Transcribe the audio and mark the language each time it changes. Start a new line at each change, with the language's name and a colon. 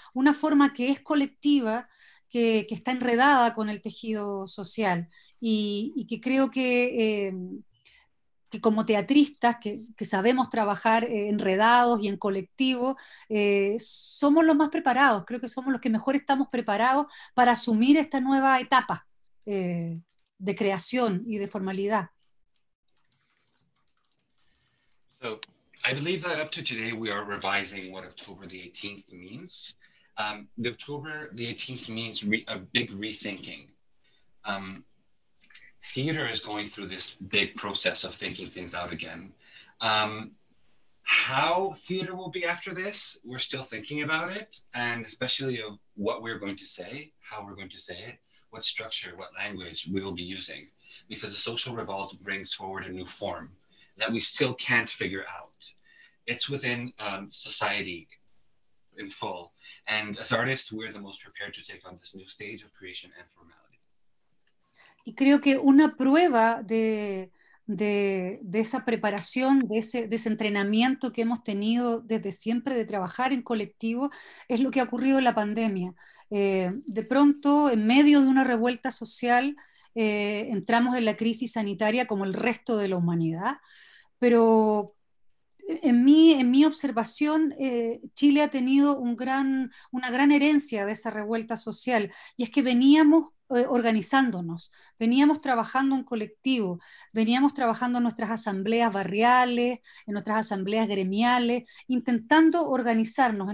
Spanish: Una forma que es colectiva, que está enredada con el tejido social, y que creo que como teatristas, que sabemos trabajar enredados y en colectivo, somos los más preparados, creo que somos los que mejor estamos preparados para asumir esta nueva etapa de creación y de formalidad.
English: So, I believe that up to today we are revising what October the 18th means. The October the 18th means a big rethinking. Theater is going through this big process of thinking things out again. How theater will be after this, we're still thinking about it, and especially of what we're going to say, how we're going to say it, what structure, what language we will be using, because the social revolt brings forward a new form that we still can't figure out. It's within society in full. And as artists, we're the most prepared to take on this new stage of creation and formality.
Spanish: Y creo que una prueba de esa preparación, de ese entrenamiento que hemos tenido desde siempre de trabajar en colectivo, es lo que ha ocurrido en la pandemia. De pronto, en medio de una revuelta social, entramos en la crisis sanitaria como el resto de la humanidad, pero en mi observación, Chile ha tenido una gran herencia de esa revuelta social, y es que veníamos organizándonos, veníamos trabajando en colectivo, veníamos trabajando en nuestras asambleas barriales, en nuestras asambleas gremiales, intentando organizarnos.